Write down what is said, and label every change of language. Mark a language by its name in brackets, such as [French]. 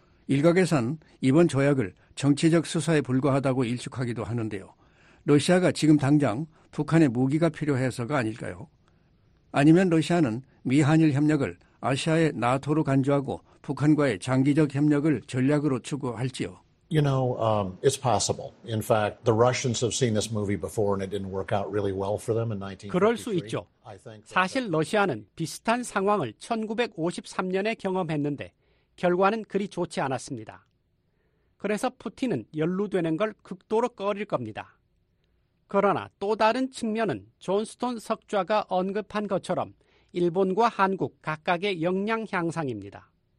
[Korean] 일각에선 이번 조약을 정치적 수사에 불과하다고 일축하기도 하는데요. 러시아가 지금 당장 북한의 무기가 필요해서가 아닐까요? 아니면 러시아는 미한일 협력을 아시아의 나토로 간주하고 북한과의 장기적 협력을 전략으로 추구할지요? [English] You know, it's possible. In fact, the Russians have seen this movie before and it didn't work out really well for them in 1953. [Korean] 그럴 수 있죠. 사실 러시아는 비슷한 상황을 1953년에 경험했는데 결과는 그리 좋지 않았습니다. 그래서 푸틴은 연루되는 걸 극도로 꺼릴 겁니다. 그러나 또 다른 측면은 존스톤 석좌가 언급한 것처럼 일본과 한국 각각의 역량 향상입니다.